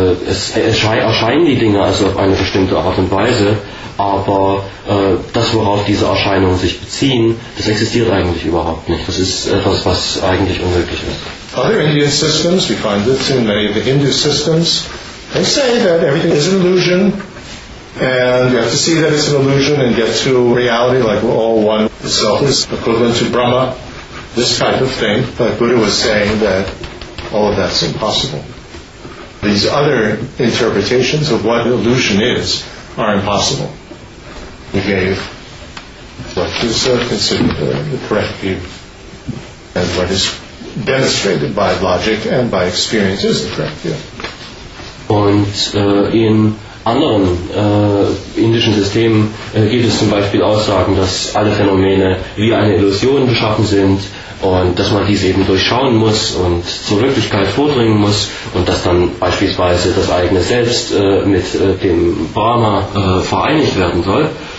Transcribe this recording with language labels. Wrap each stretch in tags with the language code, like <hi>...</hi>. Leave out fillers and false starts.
<de>Es erscheinen die Dinge also auf eine bestimmte Art und Weise, aber das, worauf diese Erscheinungen sich beziehen, das existiert eigentlich überhaupt nicht. Das ist etwas, was eigentlich unmöglich ist.</de> <en>Other Indian systems, we find this in many of the Hindu systems, they say that everything is an illusion, and you have to see that it's an illusion and get to reality, like we're all one itself is equivalent to Brahma, this type of thing. But Buddha was saying that all of that's impossible. These other interpretations of what illusion is are impossible. We gave what is considered the correct view and what is demonstrated by logic and by experience is the correct view.</en> <de>Und in anderen indischen Systemen gibt es zum Beispiel Aussagen, dass alle Phänomene wie eine Illusion beschaffen sind und dass man dies eben durchschauen muss und zur Wirklichkeit vordringen muss und dass dann beispielsweise das eigene Selbst mit dem Brahma vereinigt werden soll.</de>